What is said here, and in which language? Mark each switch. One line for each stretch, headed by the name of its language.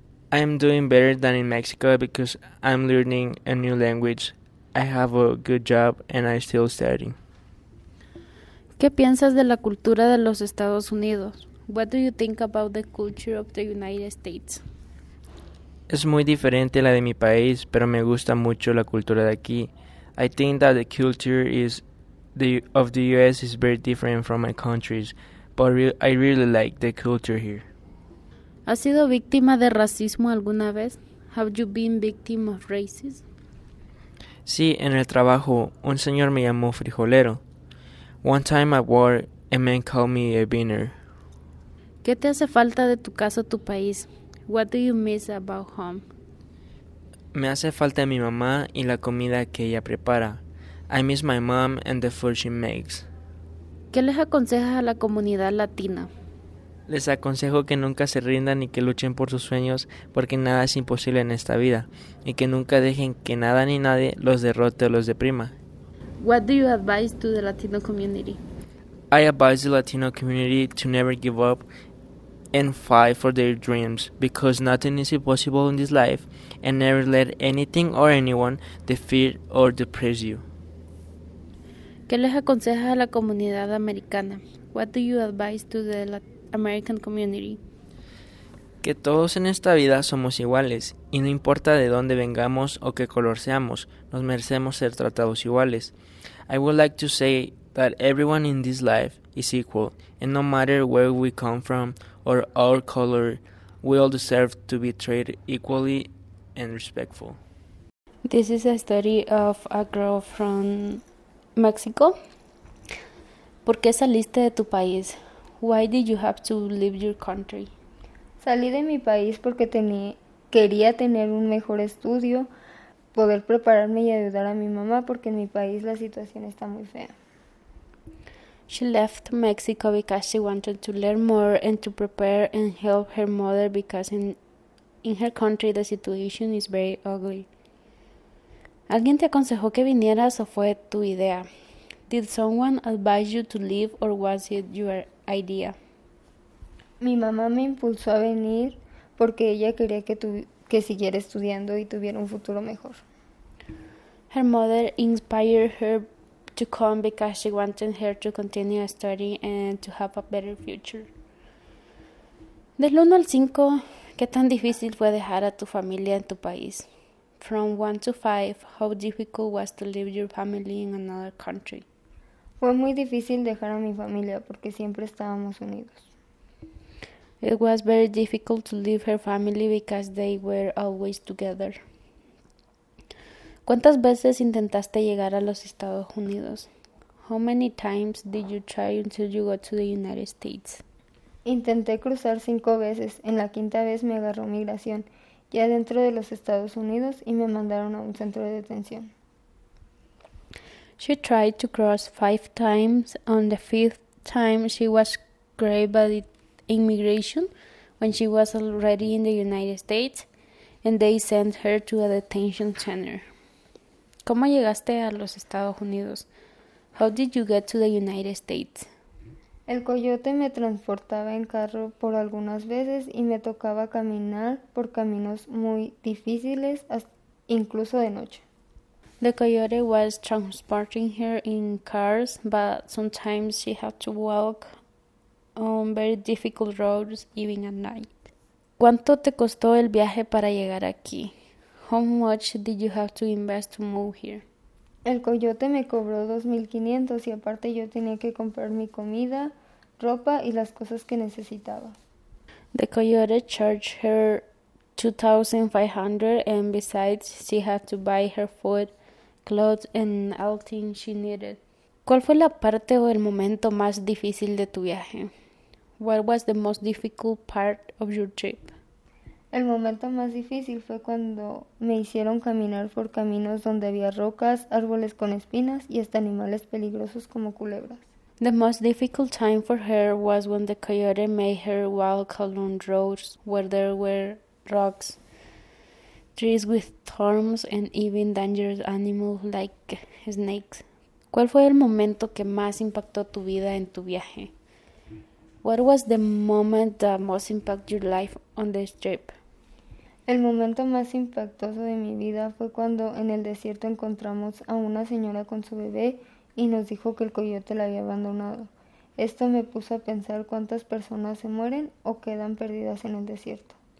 English: I'm doing better than in Mexico because I'm learning a new language. I have a good job and I'm still studying.
Spanish: ¿Qué piensas de la cultura de los Estados Unidos?
English: What do you think about the culture of the United States?
Spanish: Es muy diferente a la de mi país, pero me gusta mucho la cultura de aquí.
English: I think that the culture of the US is very different from my countries, but I really like the culture here.
Spanish: ¿Has sido víctima de racismo alguna vez?
English: Have you been victim of racism?
Spanish: Sí, en el trabajo, un señor me llamó frijolero.
English: One time at work, a man called me a beaner.
Spanish: ¿Qué te hace falta de tu casa o tu país?
English: What do you miss about home?
Spanish: Me hace falta mi mamá y la comida que ella prepara.
English: I miss my mom and the food she makes.
Spanish: ¿Qué les aconsejas a la comunidad latina? Les aconsejo que nunca se rindan y que luchen por sus sueños porque nada es imposible en esta vida y que nunca dejen que nada ni nadie los derrote o los deprima.
English: What do you advise to the Latino community? I advise the Latino community to never give up and fight for their dreams because nothing is impossible in this life and never let anything or anyone defeat or depress you.
Spanish: ¿Qué les aconsejas a la comunidad americana?
English: What do you advise to the Latino American community.
Spanish: Que todos en esta vida somos iguales, y no importa de dónde vengamos o qué color seamos, nos merecemos ser tratados iguales.
English: I would like to say that everyone in this life is equal, and no matter where we come from or our color, we all deserve to be treated equally and respectful. This is a story of a girl from Mexico.
Spanish: ¿Por qué saliste de tu país?
English: Why did you have to leave your country?
Spanish: Salí de mi país porque quería tener un mejor estudio, poder prepararme y ayudar a mi mamá porque en mi país la situación está muy fea.
English: She left Mexico because she wanted to learn more and to prepare and help her mother because in her country the situation is very ugly.
Spanish: ¿Alguien te aconsejó que vinieras o fue tu idea?
English: Did someone advise you to leave or was it your idea?
Spanish: Mi mamá me impulsó a venir porque ella quería que siguiera estudiando y tuviera un futuro mejor.
English: Her mother inspired her to come because she wanted her to continue studying and to have a better future.
Spanish: Del 1 al 5, ¿qué tan difícil fue dejar a tu familia en tu país?
English: From 1 to 5, how difficult was to leave your family in another country?
Spanish: Fue muy difícil dejar a mi familia porque siempre estábamos unidos.
English: It was very difficult to leave her family because they were always together.
Spanish: ¿Cuántas veces intentaste llegar a los Estados Unidos?
English: How many times did you try until you got to the United States?
Spanish: Intenté cruzar 5 veces. En la quinta vez me agarró migración, ya dentro de los Estados Unidos, y me mandaron a un centro de detención.
English: She tried to cross 5 times. On the 5th time, she was grabbed by the immigration when she was already in the United States and they sent her to a detention center.
Spanish: ¿Cómo llegaste a los Estados Unidos?
English: How did you get to the United States?
Spanish: El coyote me transportaba en carro por algunas veces y me tocaba caminar por caminos muy difíciles, incluso de noche.
English: The coyote was transporting her in cars, but sometimes she had to walk on very difficult roads, even at night.
Spanish: ¿Cuánto te costó el viaje para llegar aquí?
English: How much did you have to invest to move here?
Spanish: El coyote me cobró 2,500 y aparte yo tenía que comprar mi comida, ropa y las cosas que necesitaba.
English: The coyote charged her 2,500 and besides she had to buy her food, clothes and everything she needed.
Spanish: ¿Cuál fue la parte o el momento más difícil de tu viaje?
English: What was the most difficult part of your trip?
Spanish: El momento más difícil fue cuando me hicieron caminar por caminos donde había rocas, árboles con espinas y hasta animales peligrosos como culebras.
English: The most difficult time for her was when the coyote made her walk along roads where there were rocks, trees with thorns and even dangerous animals like snakes.
Spanish: ¿Cuál fue el momento que más impactó tu vida en tu viaje?
English: What was the moment that most impacted your life on this trip?
Spanish: El momento más impactoso de mi vida fue cuando en el desierto encontramos a una señora con su bebé y nos dijo que el coyote la había abandonado. Esto me puso a pensar cuántas personas se mueren o quedan perdidas en el desierto.